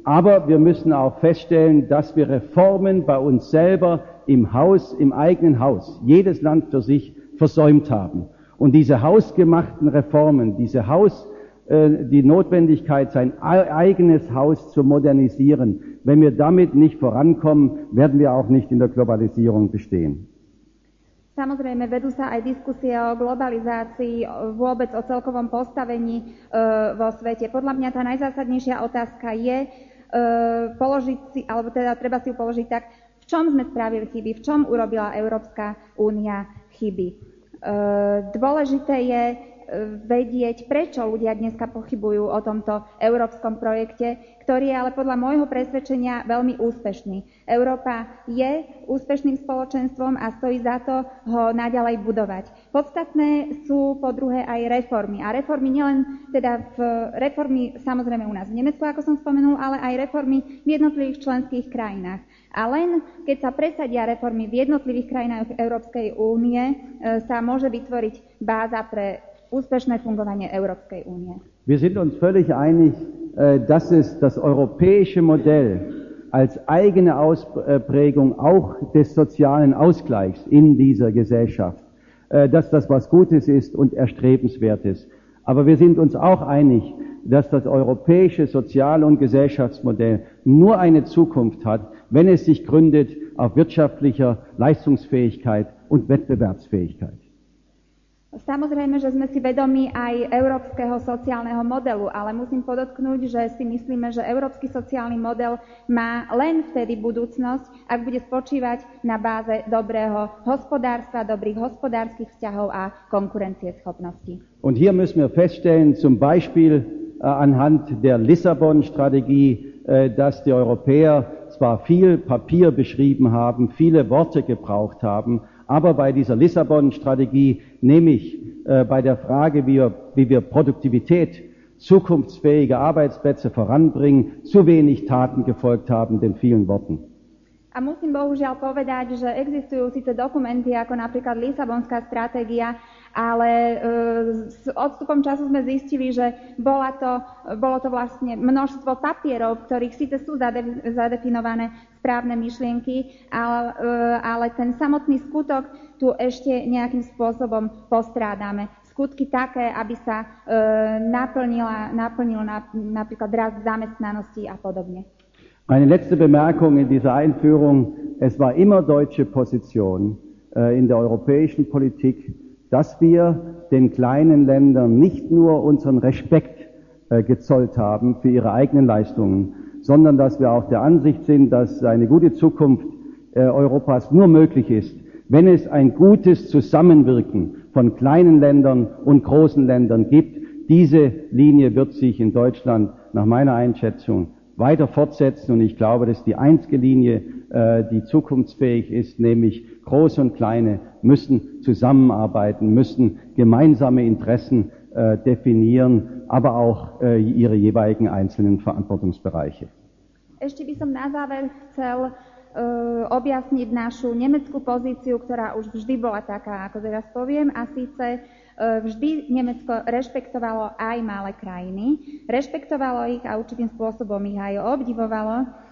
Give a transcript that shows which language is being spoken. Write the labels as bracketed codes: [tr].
[de] Aber wir müssen auch feststellen, dass wir Reformen bei uns selber im Haus, im eigenen Haus, jedes Land für sich, versäumt haben. Und diese hausgemachten Reformen, die Notwendigkeit, sein eigenes Haus zu modernisieren, wenn wir damit nicht vorankommen, werden wir auch nicht in der Globalisierung bestehen. [sk] Samozrejme, vedú sa aj diskusie o globalizácii, vôbec o celkovom postavení vo svete. Podľa mňa tá najzásadnejšia otázka je položiť si, alebo teda treba si ju položiť tak, v čom sme spravili chyby, v čom urobila Európska únia chyby. Dôležité je vedieť, prečo ľudia dneska pochybujú o tomto európskom projekte, ktorý je ale podľa môjho presvedčenia veľmi úspešný. Európa je úspešným spoločenstvom a stojí za to ho naďalej budovať. Podstatné sú po druhé aj reformy. A reformy nielen teda reformy samozrejme u nás v Nemecku, ako som spomenul, ale aj reformy v jednotlivých členských krajinách. A len keď sa presadia reformy v jednotlivých krajinách Európskej únie, sa môže vytvoriť báza pre úspešné fungovanie Európskej únie. [de] Wir sind uns völlig einig, dass es das europäische Modell als eigene Ausprägung auch des sozialen Ausgleichs in dieser Gesellschaft, dass das was Gutes ist und Erstrebenswertes. Aber wir sind uns auch einig, dass das europäische Sozial- und Gesellschaftsmodell nur eine Zukunft hat, wenn es sich gründet auf wirtschaftlicher Leistungsfähigkeit und Wettbewerbsfähigkeit. [sk] Samozrejme, že sme si vedomi aj európskeho sociálneho modelu, ale musím podotknúť, že si myslíme, že európsky sociálny model má len vtedy budúcnosť, ak bude spočívať na báze dobrého hospodárstva, dobrých hospodárskych vzťahov a konkurencieschopnosti. [de] Und hier müssen wir feststellen, zum Beispiel anhand der Lissabon-Strategie, dass die Europäer zwar viel Papier beschrieben haben, viele Worte gebraucht haben, aber bei dieser Lissabon-Strategie, nämlich bei der Frage, wie wir Produktivität, zukunftsfähige Arbeitsplätze voranbringen, zu wenig Taten gefolgt haben den vielen Worten. [sk] A musím bohužiaľ povedať, že existujú síce dokumenty ako napríklad Lisabonská stratégia, ale s odstupom času sme zistili, že bolo to vlastne množstvo papierov, ktorých síce sú zadefinované správne myšlienky, ale ten samotný skutok tu ešte nejakým spôsobom postrádame. Skutky také, aby sa naplnil napríklad rast zamestnanosti a podobne. [de] Meine letzte Bemerkung in dieser Einführung, es war immer deutsche Position in der europäischen Politik, dass wir den kleinen Ländern nicht nur unseren Respekt gezollt haben für ihre eigenen Leistungen, sondern dass wir auch der Ansicht sind, dass eine gute Zukunft Europas nur möglich ist, wenn es ein gutes Zusammenwirken von kleinen Ländern und großen Ländern gibt. Diese Linie wird sich in Deutschland nach meiner Einschätzung weiter fortsetzen, und ich glaube, dass die einzige Linie, die zukunftsfähig ist, nämlich Große und Kleine müssen zusammenarbeiten, müssen gemeinsame Interessen definieren, aber auch ihre jeweiligen einzelnen Verantwortungsbereiche. [sk] Ešte by som na záver chcel objasniť našu nemeckú pozíciu, ktorá už vždy bola taká, ako teraz poviem, a síce vždy Nemecko rešpektovalo aj malé krajiny, rešpektovalo ich a určitým spôsobom ich aj obdivovalo.